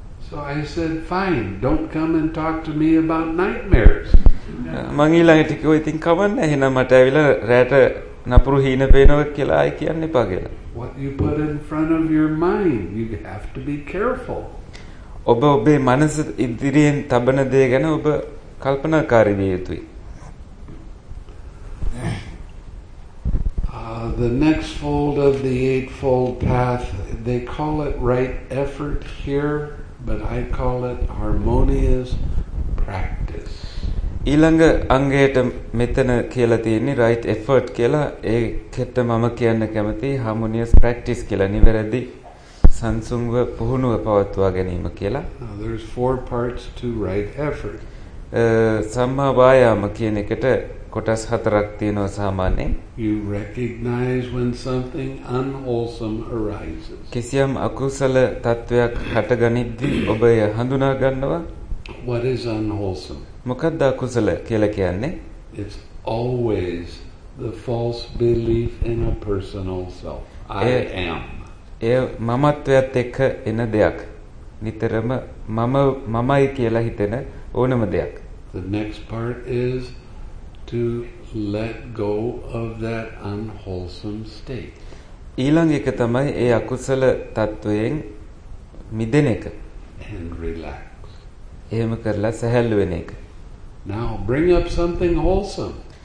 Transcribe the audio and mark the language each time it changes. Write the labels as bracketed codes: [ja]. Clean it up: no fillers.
[en] So I said, fine, don't come and talk to me about nightmares. [si] මං ඊළඟට කිව්වා ඉතින් කමන්න එහෙනම් මට ඇවිල්ලා රැට නපුරු හීන පේනවා කියලා අය කියන්න එපා කියලා. [en] What you put in front of your mind, you have to be careful. [si] ඔබ ඔබේ මනස ඉදිරියෙන් තබන දේ ගැන ඔබ කල්පනාකාරී විය යුතුයි. [en] The next fold of the Eightfold Path, they call it right effort here, but I call it harmonious practice. [si] ඊළඟ අංගයට මෙතන කියලා තියෙන්නේ [en] right effort [si] කියලා. ඒකට මම කියන්න කැමතියි [en] harmonious practice [si] කියලා. නිවැරදි සංසුන්ව පුහුණුව පවත්වා ගැනීම කියලා. [en] Now there's four parts to right effort. [si] සම්මා වායාම කියන එකට කොටස් හතරක් තියෙනවා සාමාන්‍යයෙන්. [en] You recognize when something unwholesome arises. [si] කිසියම් අකුසල තත්වයක් හටගනිද්දී ඔබ එය හඳුනා ගන්නවා. [en] What is unwholesome? [si] මොකක්ද අකුසල කියලා කියන්නේ? [en] It's always the false belief in a personal self. I am. [si] ඒ මමත්වයත් එක්ක එන දෙයක්. නිතරම මමයි කියලා හිතෙන ඕනම දෙයක්. [en] The next part is to let go of that unwholesome state. [si] ඊළඟ එක තමයි ඒ අකුසල තත්වයෙන් මිදෙන එක. [en] And relax. [si] එහෙම කරලා සැහැල්ලු වෙන එක. [en] Now bring up something wholesome.